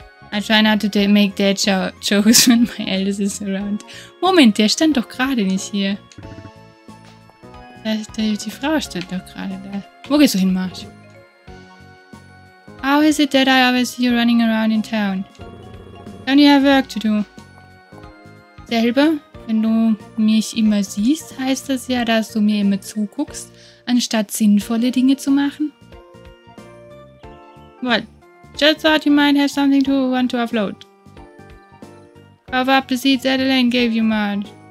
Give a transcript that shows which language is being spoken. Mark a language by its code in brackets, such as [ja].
[en] I try not to make dad jokes when my eldest is around. [de] Moment, der stand doch gerade nicht hier. Die Frau stand doch gerade da. Wo gehst du hin, Marsch? [en] How is it that I always see you running around in town? Don't you have work to do? Selber? [de] Wenn du mich immer siehst, heißt das ja, dass du mir immer zuguckst, anstatt sinnvolle Dinge zu machen. [en] What? Just thought you might have something to want to offload. Cover up the seeds Adeline gave you, Marge.